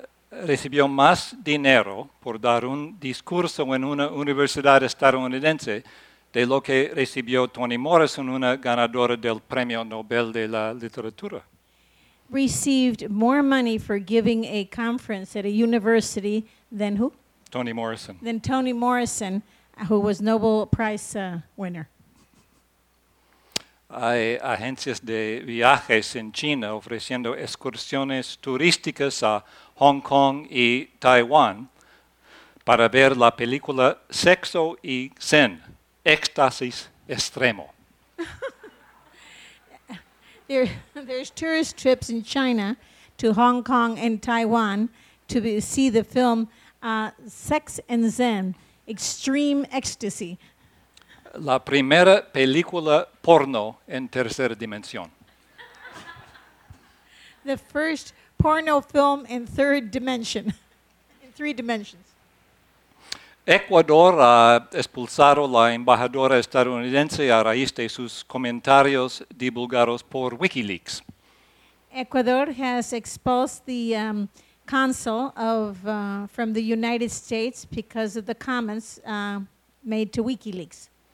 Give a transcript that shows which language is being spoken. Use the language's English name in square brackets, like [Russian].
[Spanish] Recibió más dinero por dar un discurso en una universidad estadounidense de lo que recibió Toni Morrison, una ganadora del Premio Nobel de la Literatura. [English] Received more money for giving a conference at a university than who? Toni Morrison. Than Toni Morrison, who was Nobel Prize winner. [Spanish] Hay agencias de viajes en China ofreciendo excursiones turísticas a Hong Kong y Taiwán para ver la película Sexo y Zen, Éxtasis Extremo. [English] There's tourist trips in China to Hong Kong and Taiwan to see the film Sex and Zen, Extreme Ecstasy. [Spanish] La primera película porno en tercera dimensión. [English] The first porno film in third dimension, in three dimensions. [Spanish] Ecuador ha expulsado la embajadora estadounidense a raíz de sus comentarios divulgados por WikiLeaks. [English] Ecuador has expelled the consul from the United States because of the comments made to WikiLeaks.